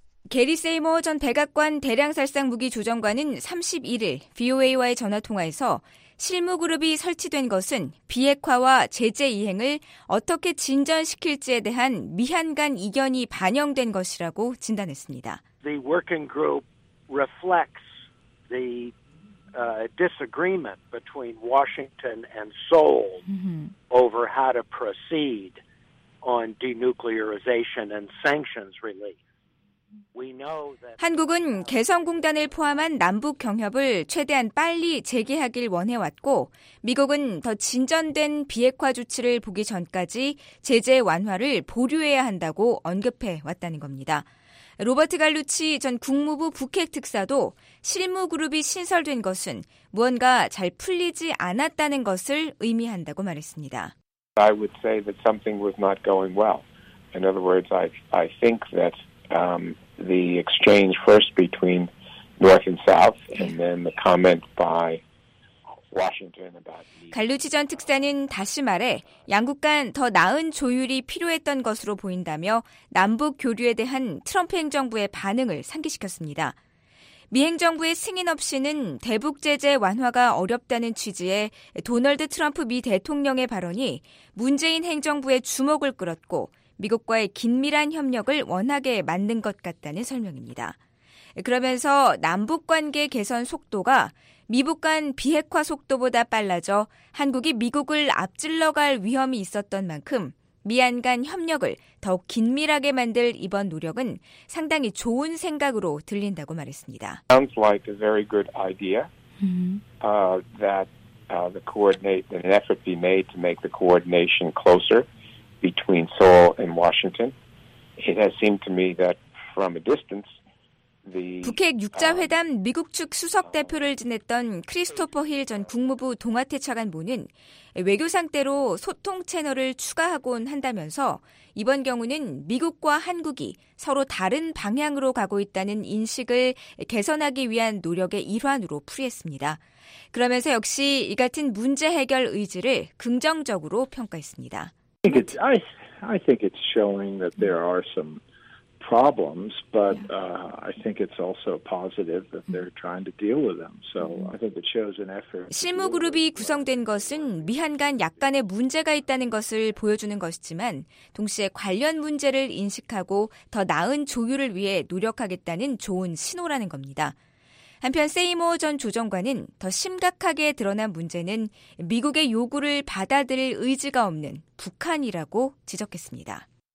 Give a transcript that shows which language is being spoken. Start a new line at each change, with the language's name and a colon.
Korean: 게리 세이머 전 백악관 대량살상 무기 조정관은 31일 VOA와의 전화통화에서 실무그룹이 설치된 것은 비핵화와 제재 이행을 어떻게 진전시킬지에 대한 미한 간 이견이 반영된 것이라고 진단했습니다.
English: The working group reflects the disagreement between Washington and Seoul over how to proceed on denuclearization and sanctions relief.
Korean: 한국은 개성공단을 포함한 남북 경협을 최대한 빨리 재개하길 원해왔고 미국은 더 진전된 비핵화 조치를 보기 전까지 제재 완화를 보류해야 한다고 언급해 왔다는 겁니다. 로버트 갈루치 전 국무부 북핵 특사도 실무 그룹이 신설된 것은 무언가 잘 풀리지 않았다는 것을 의미한다고 말했습니다.
English: I would say that something was not going well. In other words, I think that the exchange first between North and South, and then the comment by Washington about.
Korean: 갈루치 전 특사는 다시 말해 양국 간 더 나은 조율이 필요했던 것으로 보인다며 남북 교류에 대한 트럼프 행정부의 반응을 상기시켰습니다. 미 행정부의 승인 없이는 대북 제재 완화가 어렵다는 취지의 도널드 트럼프 미 대통령의 발언이 문재인 행정부의 주목을 끌었고. 미국과의 긴밀한 협력을 원하게 만든 것 같다는 설명입니다. 그러면서 남북관계 개선 속도가 미북 간 비핵화 속도보다 빨라져 한국이 미국을 앞질러갈 위험이 있었던 만큼 미한 간 협력을 더욱 긴밀하게 만들 이번 노력은 상당히 좋은 생각으로 들린다고 말했습니다.
English: Sounds like a very good idea that the coordinate an effort be made to make the coordination closer. Between Seoul and Washington, it has seemed to me that from a distance, the
Korean: 북핵 육자 회담 미국 측 수석 대표를 지냈던 크리스토퍼 힐 전 국무부 동아태 차관보는 외교 상대로 소통 채널을 추가하곤 한다면서 이번 경우는 미국과 한국이 서로 다른 방향으로 가고 있다는 인식을 개선하기 위한 노력의 일환으로 풀이했습니다. 그러면서 역시 이 같은 문제 해결 의지를 긍정적으로 평가했습니다.
English: I think it's showing that there are some problems, but I think it's also positive that they're trying to deal with them. So I think it shows an effort.
Korean: 실무 그룹이 구성된 것은 미한 간 약간의 문제가 있다는 것을 보여주는 것이지만, 동시에 관련 문제를 인식하고 더 나은 조율을 위해 노력하겠다는 좋은 신호라는 겁니다. 한편 세이머 전 조정관은 더 심각하게 드러난 문제는 미국의 요구를 받아들일 의지가 없는 북한이라고 지적했습니다.